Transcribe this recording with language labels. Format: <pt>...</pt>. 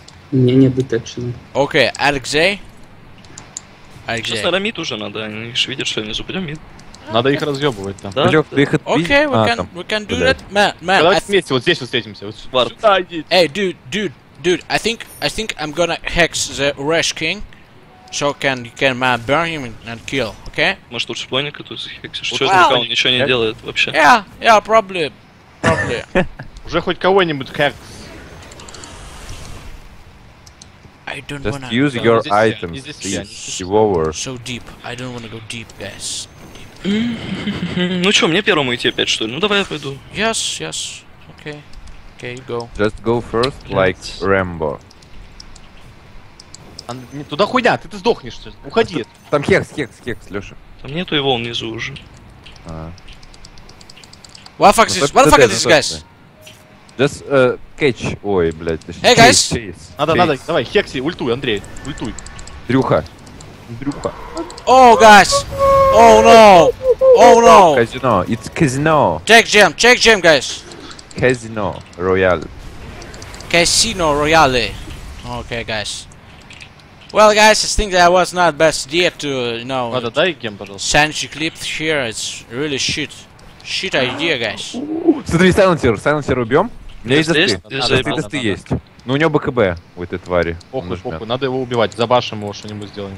<ru>Мне не детекшено. Окей, Алексей? Сейчас на мид уже надо, они же видят, что внизу, пойдем мид. Надо их разъебывать там. Да? Лёх, ты их отбить?</ru> <en>Окей, we can do that. Man,</en> <ru>давайте вместе, вот здесь вот встретимся. Вард. Сюда идите. Эй, дюд,</ru> <en>Dude, I think I'm gonna hex the Rash King. So can man burn him and kill, okay?</en> <ru>Может лучше пленника тут хексишь? Чё это, он ничего не делает вообще?</ru> <en>Yeah, probably.</en> <ru>Уже хоть кого-нибудь хекс.</ru> <en>I don't just wanna... Just use your items, please, devour. So deep, I don't wanna go deep, guys.</en> <ru>Ну чё, мне первому идти опять, что ли? Ну давай я пойду.</ru> <en>Yes, okay, you go. Just go first, like Rambo.</en> <ru>Не, туда хуйня, ты сдохнешь, что ли? Уходи. Там хекс, Лёша. Там нету его внизу уже.</ru> <en>What the fuck is this? What the fuck is this, guys? Just catch,</en> <ru>ой, блядь.</ru> <en>Hey, guys!</en> <ru>Надо, давай, хекси, ультуй, Андрей, ультуй. Дрюха.</ru> <en>Oh, guys! Oh, no! Oh, no! Казино, it's casino. Check gem, guys! Casino Royale. Casino Royale. Okay, guys. Well, guys, I think that was not best idea to, you know...</en> <ru>Надо, дай гем, пожалуйста.</ru> <en>Send you clips here, it's really shit. Shit idea, guys.</en> <ru>Смотри, Silencer убьем. У меня есть. Ну у него БКБ у этой твари. Похуй, надо его убивать, за башем его что-нибудь сделаем.</ru>